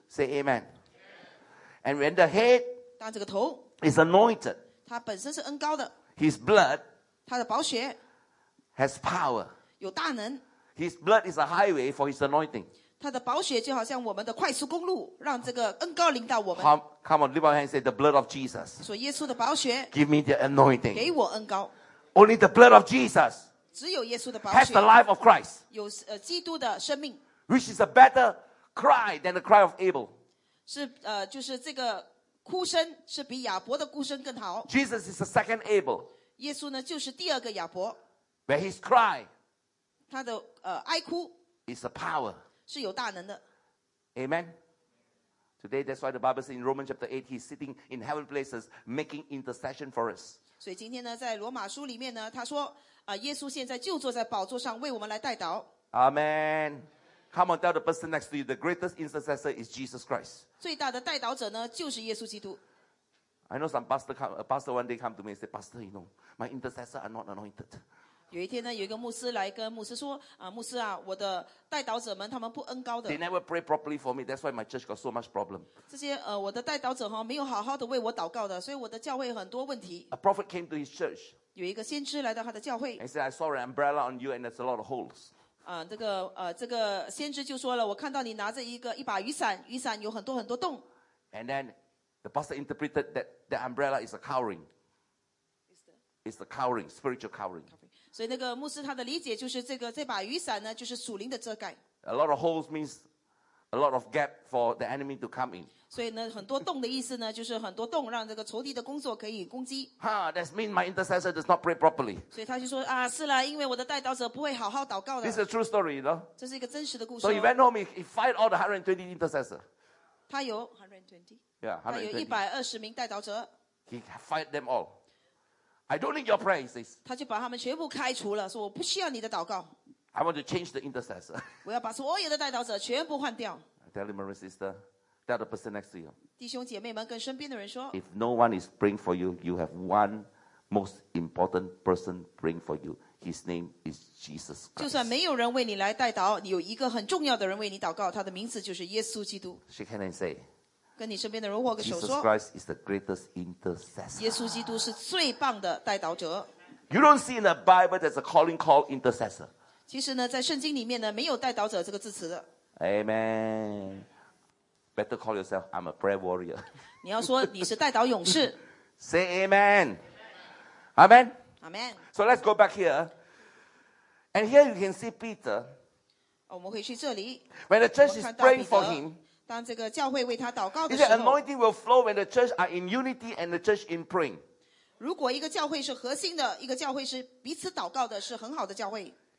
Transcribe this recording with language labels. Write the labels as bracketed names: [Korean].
[English] say amen and when the head [Chinese] 当这个头 [English] is anointed [Chinese] 他本身是恩膏的 [English] his blood [Chinese] 他的宝血 [English] has power [Chinese] 有大能 [English] his blood is a highway for his anointing [Chinese] 他的宝血就好像我们的快速公路让这个恩膏临到我们 [English] come on lift up your hands say the blood of Jesus [Chinese] 说耶稣的宝血 [English] give me the anointing [Chinese] 给我恩膏 [English] Only the blood of Jesus [Chinese] 只有耶稣的宝血 [English] has the life of Christ [Chinese] 有基督的生命 [English] which is a better cry than the cry of Abel [Chinese] 是就是这个哭声是比亚伯的哭声更好 [English] Jesus is the second Abel [Chinese] 耶稣呢就是第二个亚伯 [English] where his cry [Chinese] 他的哀哭 [English] is the power [Chinese] 是有大能的 [English] Amen Today that's why the Bible says in Romans chapter 8 he's sitting in heaven places making intercession for us [Chinese] 所以今天呢在罗马书里面呢他说耶稣现在就坐在宝座上为我们来代祷 [English] Amen Come on tell the person next to you the greatest intercessor is Jesus Christ [Chinese] 最大的代祷者呢就是耶稣基督 [English] I know some pastor pastor one day come to me and say Pastor you know my intercessor are not anointed [Chinese] 有一天呢有一个牧师来跟牧师说牧师啊我的代祷者们他们不恩膏的 [English] They never pray properly for me that's why my church got so much problem [Chinese] 这些我的代祷者哈没有好好的为我祷告的所以我的教会很多问题 [English] A prophet came to his church [Chinese] 有一个先知来到他的教会 [English] He said I saw an umbrella on you and there's a lot of holes [Chinese] 这个先知就说了我看到你拿着一把雨伞雨伞有很多很多洞 [English] And then the pastor interpreted that the umbrella is a covering It's the covering spiritual covering [Chinese] 所以那个牧师他的理解就是这把雨伞呢就是属灵的遮盖 [English] A lot of holes means a lot of gap for the enemy to come in [Chinese] 所以呢很多洞的意思呢就是很多洞让这个仇敌的工作可以攻击 [English] That means my intercessor does not pray properly [Chinese] 所以他就说啊，是啦因为我的代祷者不会好好祷告的 [English] This is a true story you know [Chinese] 这是一个真实的故事 [English] So he went home he fired all the 120 intercessors [Chinese] 他有 120 他有120名代祷者 [English] He fired them allI don't need your prayers. [Chinese] 他就把他们全部开除了，说我不需要你的祷告。 [English] I want to change the intercessor. [Chinese] 我要把所有的代祷者全部换掉。 [English] I tell you, my sister, tell the person next to you. [Chinese] 弟兄姐妹们跟身边的人说。 [English] If no one is praying for you, you have one most important person praying for you. His name is Jesus Christ. [Chinese] 就算没有人为你来代祷，你有一个很重要的人为你祷告，他的名字就是耶稣基督。 [English] She can and say. [Chinese] 跟你身边的人握个手说 [English] Jesus Christ is the greatest intercessor [Chinese] 耶稣基督是最棒的代祷者 [English] You don't see in the Bible there's a calling called intercessor [Chinese] 其实呢在圣经里面呢没有代祷者这个字词的 [English] Amen Better call yourself I'm a prayer warrior [Chinese] 你要说你是代祷勇士 [English] Say Amen Amen Amen So let's go back here And here you can see Peter [Chinese] 我们回去这里 [English] When the church is praying for him [Chinese] 当这个教会为他祷告的时候 [English] He said anointing will flow when the church are in unity and the church in praying. [Chinese] 如果一个教会是核心的一个教会是彼此祷告的是很好的教会